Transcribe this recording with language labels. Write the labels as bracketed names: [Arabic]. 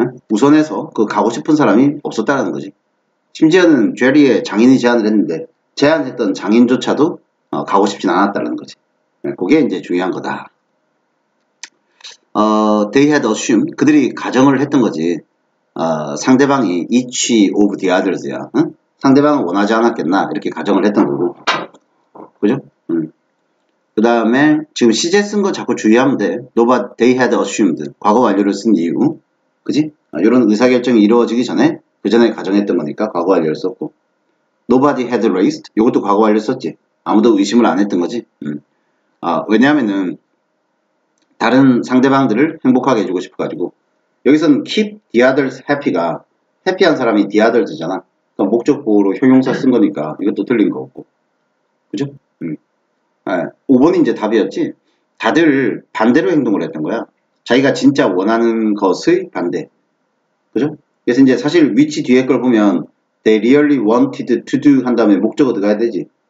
[Korean] 우선해서 그 가고 싶은 사람이 없었다는 거지. 심지어는 제리의 장인이 제안을 했는데 제안했던 장인조차도 가고 싶진 않았다는 거지. 그게 이제 중요한 거다. [English] They had assumed [Korean] 그들이 가정을 했던 거지. 상대방이 [English] each of the others [Korean] 야. 상대방은 원하지 않았겠나 이렇게 가정을 했던 거고. 그죠? 그 다음에 지금 시제 쓴거 자꾸 주의하면 돼. [English] No, but they had assumed. [Korean] 과거 완료를 쓴 이유. 그지? 이런 의사결정이 이루어지기 전에 그 전에 가정했던 거니까 과거 완료를 썼고. [English] Nobody had raised. [Korean] 이것도 과거 완료 썼지. 아무도 의심을 안 했던 거지. 왜냐하면은 다른 상대방들을 행복하게 해주고 싶어가지고. 여기서는 [English] keep the others happy [Korean] 가 happy한 사람이 the others잖아. 그러니까 목적보호로 형용사 쓴 거니까 이것도 틀린 거 없고. 그죠? 5번이 이제 답이었지. 다들 반대로 행동을 했던 거야. 자기가 진짜 원하는 것의 반대. 그죠? 그래서 이제 사실 위치 뒤에 걸 보면 [English] they really wanted to do [Korean] 한 다음에 목적어 들어가야 되지.